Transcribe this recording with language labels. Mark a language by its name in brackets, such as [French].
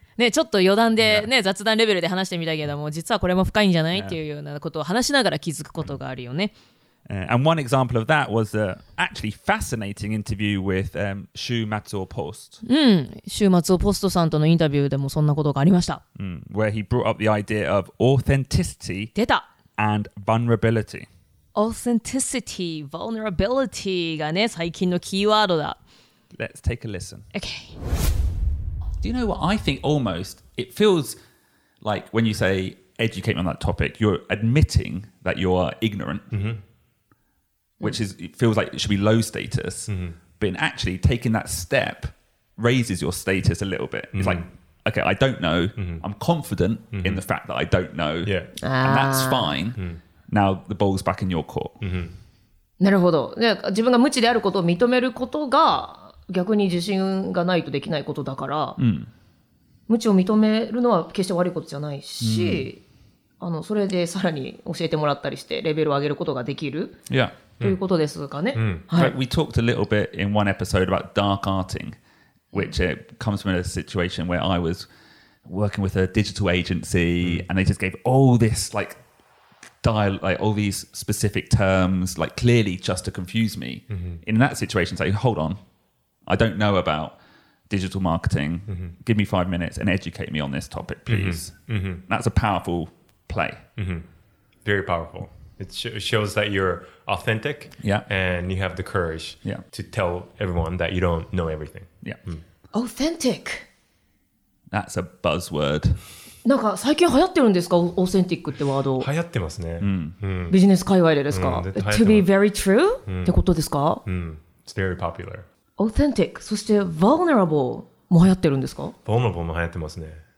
[Japanese] ね、ちょっと余談で、ね yeah. 雑談レベルで話してみたけども実はこれも深いんじゃない、yeah. っていうようなことを話しながら気づくことがあるよね、 [English] And one example of that was an actually fascinating interview with、週末をポスト、 [Japanese] うん、週末をポストさんとのインタビューでもそんなことがありました、 [English] Where he brought up the idea of authenticity [Japanese] 出た [English] and vulnerability [Japanese] Authenticity, vulnerability がね最近のキーワードだ [English] Let's take a listen Okay. Do you know what I think almost, it feels like when you say educate me on that topic, you're admitting that you are ignorant,、 mm-hmm. which is, it feels like it should be low status,、 mm-hmm. but in actually taking that step raises your status a little bit.、Mm-hmm. It's like, okay, I don't know,、mm-hmm. I'm confident、mm-hmm. in the fact that I don't know,、 yeah. and that's fine,、mm-hmm. now the ball's back in your court.、 Mm-hmm. [Japanese] なるほど。自分が無知であることを認めることが、逆に自信がないとできないことだから、うん、無知を認めるのは決して悪いことじゃないし、うん、あのそれでさらに教えてもらったりしてレベルを上げることができる、 [English] yeah. [Japanese] ということですかね、 [English] うんはい、We talked a little bit in one episode about dark arting which comes from a situation where I was working with a digital agency、うん、and they just gave all this like, like all these specific terms like clearly just to confuse me、 [Japanese] うん、 [English] in that situation it's like hold onI don't know about digital marketing. Mm-hmm. Give me 5 minutes and educate me on this topic, please. Mm-hmm. Mm-hmm. That's a powerful play. Mm-hmm. Very powerful. It shows that you're authentic、 yeah. and you have the courage、 yeah. to tell everyone that you don't know everything. Yeah.、Mm. Authentic. That's a buzzword. [Japanese] なんか最近流行ってるんですか? Authentic ってワード。流行ってますね。ビジネス界隈でですか? [English] To be very true? [Japanese] ってことですか? [English] It's very popular. [Japanese] Authentic. そして Vulnerable も流行ってるんですか? Vulnerable も流行ってますね。